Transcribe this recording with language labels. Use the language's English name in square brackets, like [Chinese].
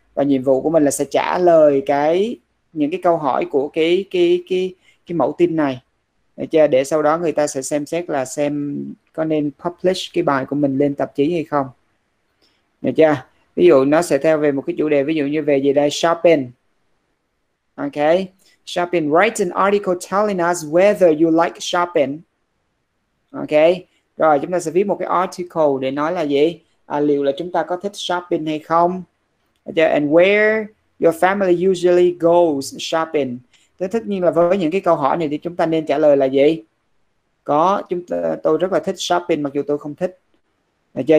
[Vietnamese] Và nhiệm vụ của mình là sẽ trả lời cái những cái câu hỏi của cái mẫu tin này, được chưa? Để sau đó người ta sẽ xem xét là xem có nên publish cái bài của mình lên tạp chí hay không. Được chưa? Ví dụ nó sẽ theo về một cái chủ đề, ví dụ như về gì đây, shopping. Ok. [English] Shopping, write an article telling us whether you like shopping. Ok. [Vietnamese] Rồi chúng ta sẽ viết một cái article để nói là gì? À, liệu là chúng ta có thích shopping hay không? Được chưa? [English] And where your family usually goes shopping. [Vietnamese] Thế tất nhiên là với những cái câu hỏi này thì chúng ta nên trả lời là gì? Có, tôi rất là thích shopping mặc dù tôi không thích. Được chưa?